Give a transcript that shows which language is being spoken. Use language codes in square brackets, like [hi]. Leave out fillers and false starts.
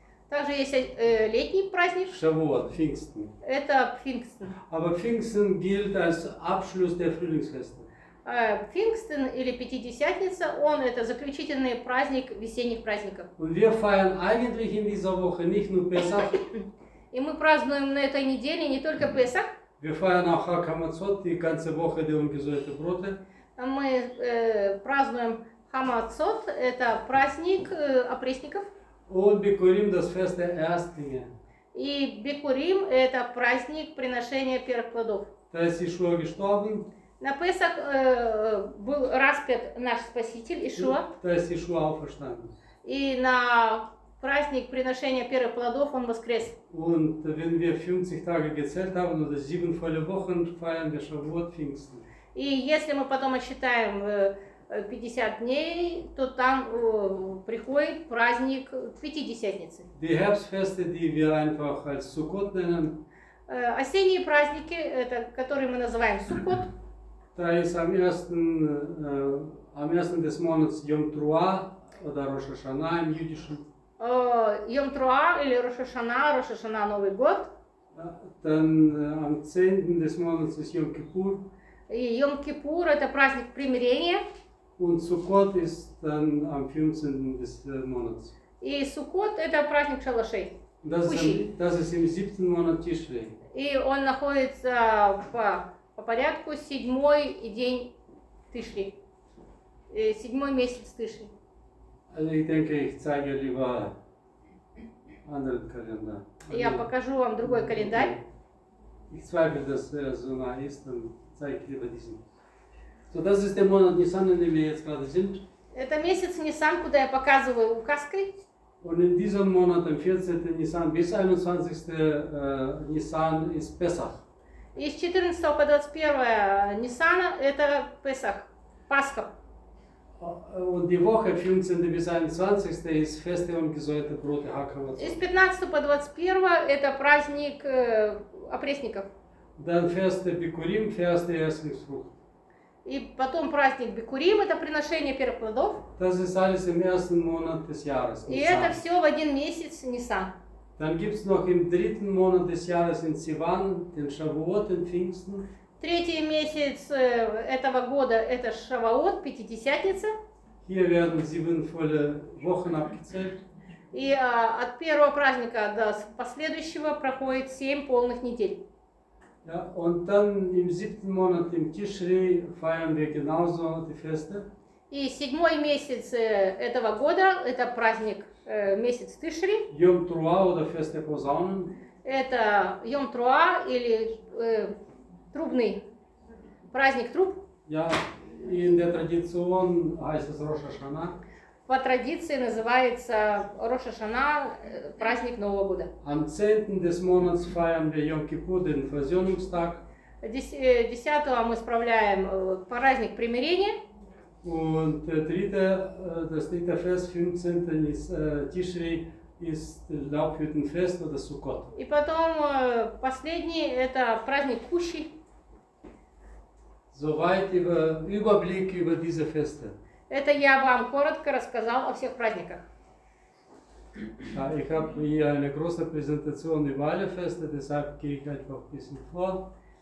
[ru] Также есть летний праздник. [de] Shavuot, Pfingsten. [ru] Это Пфингстен. [de] Aber Pfingsten gilt als Abschluss der Frühlingsfeste. [ru] Пфингстен или Пятидесятница, он это заключительный праздник весенних праздников. [de] Wir feiern eigentlich in dieser Woche nicht nur Pesach. [ru] И мы празднуем на этой неделе не только Песах. [de] Wir feiern auch Хамацот, die ganze Woche der ungesäuerten Brote. [ru] Мы празднуем Хамацот, это праздник опресников. [de] Und Bikurim, das Fest der Erstlinge. [ru] И Бикурим, это праздник приношения первых плодов. [de] Da ist Yeshua gestorben. [ru] На Песах был распят наш Спаситель Ишуа. То есть Ишуа [de] auferstanden. [ru] И на праздник приношения первых плодов он воскрес. [de] Und wenn wir 50 Tage gezählt haben oder 7 volle Wochen feiern wir Shavuot Pfingsten. [ru] И если мы потом отсчитаем 50 дней, то там приходит праздник Пятидесятницы. [de] Die Herbstfeste, die wir einfach als Sukkot nennen. [ru] Осенние праздники, это которые мы называем Суккот. [de] Traiesc am ersten des Monats Yom Trua oder Rosh Hashanah im Jüdischen. [ru] Yom Trua или Rosh Hashanah, Новый год. [de] Dann am 10. des Monats ist Yom Kippur. [ru] Yom Kippur – это праздник примирения. [de] Und Sukkot ist dann am 15. des Monats. [ru] И Суккот – это праздник шалашей. [de] Das ist im 7. Monat Tishrei. [ru] И он находится по порядку 7-й день Тишри. 7-й месяц Тишри. [de] Also ich denke, ich zeige lieber anderen Kalender. [ru] Я покажу вам другой календарь. [de] Ich zweifle, dass er so nah ist, dann zeige lieber diesen. So, das ist der Monat Nisan, in dem wir jetzt gerade sind. [ru] Это месяц Нисан, куда я показываю указкой. [de] Und in diesem Monat, am 14. Nisan bis 21. Nisan ist Pesach. [ru] И с 14 по 21 Нисана это Песах, Пасха. [de] Und die Woche 15. bis 21. ist Festival gesäuerte Brote Hakavatzot. [ru] И с 15 по 21 это праздник опресников. [de] Dann Feste Bikurim, Feste Erstlingsfrucht. [ru] И потом праздник Бикурим, это приношение первых плодов. [de] Das ist alles im ersten Monat des Jahres. [ru] И это все в один месяц Нисан. [de] Dann gibt es noch im dritten Monat des Jahres in Sivan, den Shavuot, den Pfingsten. [ru] Третий месяц этого года – это Шавуот, Пятидесятница. [de] Hier werden sieben volle Wochen abgezählt. [ru] И от первого праздника до последующего проходит 7 полных недель. [de] Ja, und dann im siebten Monat, im Tishrei, feiern wir genauso die Feste. [ru] И седьмой месяц этого года – это праздник месяц Тишри. [de] Йом Труа oder Feste Posaunen. [ru] Это Йом Труа или трубный праздник труб. [de] Ja, in der Tradition heißt es Rosh Hashanah. [ru] По традиции называется Rosh Hashanah, праздник Нового года. [de] Am 10. des Monats feiern wir Yom Kippur, den Versöhnungstag. [ru] 10-го мы справляем праздник примирения. [de] Und das dritte Fest, 15. Tishrei, ist Laubhüttenfest oder Sukkot. [ru] И потом последний – это праздник Кущи. [de] Soweit Überblick über diese Feste. [ru] Это я вам коротко рассказал о всех праздниках. [de] Ja, ich habe hier eine große Präsentation über alle Feste, deshalb gehe ich einfach ein bisschen vor.